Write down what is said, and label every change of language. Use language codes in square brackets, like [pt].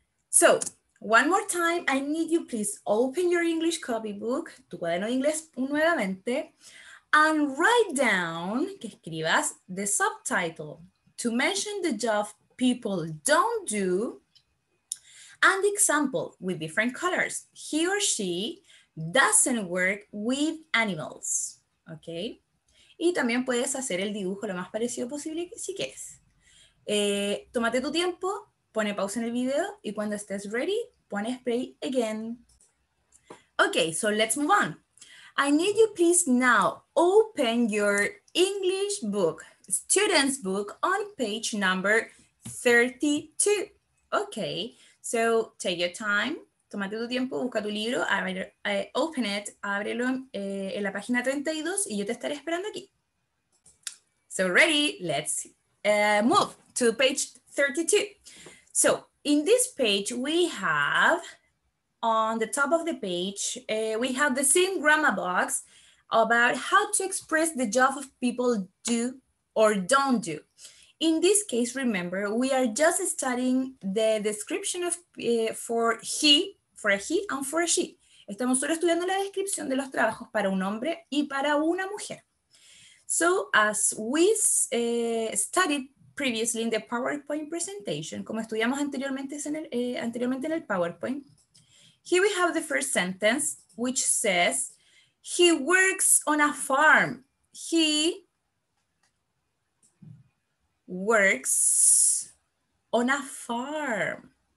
[en] So, one more time, I need you please open your English copybook, [es] tu cuaderno de inglés nuevamente, [en] and write down, [es] que escribas, [en] the subtitle to mention the job people don't do, and the example with different colors, he or she, doesn't work with animals, okay? [es] Y también puedes hacer el dibujo lo más parecido posible si quieres. Tómate tu tiempo, pone pausa en el video y cuando estés ready, [en] pone spray again. Okay, so let's move on. I need you please now open your English book, student's book, on page number 32. Okay, so take your time. [es] Tómate tu tiempo, busca tu libro, [en] open it, [es] ábrelo en la página 32 y yo te estaré esperando aquí. [en] So ready, let's move to page 32. So in this page we have, on the top of the page, we have the same grammar box about how to express the job of people do or don't do. In this case, remember, we are just studying the description of for he, for a he and for a she. [es] Estamos solo estudiando la descripción de los trabajos para un hombre y para una mujer. [en] So as we studied previously in the PowerPoint presentation, [es] como estudiamos anteriormente en el, [en] PowerPoint, here we have the first sentence, which says, he works on a farm. He works on a farm.